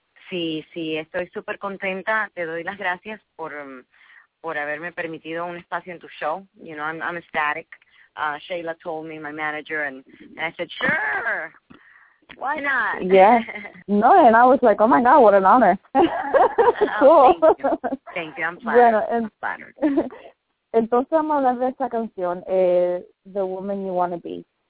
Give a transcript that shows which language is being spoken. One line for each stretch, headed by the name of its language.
Spanish: Sí, sí, estoy súper contenta. Te doy las gracias por haberme permitido un espacio en tu show.
English: You know, I'm ecstatic. Sheila told me, my manager, and I said, sure, why not? Yeah. No, and I was like, oh, my God, what an honor. Cool. Oh, thank you. I'm flattered.
Spanish: Bueno,
English: I'm flattered.
Spanish: Entonces vamos a hablar de esa canción, The Woman You Want to Be.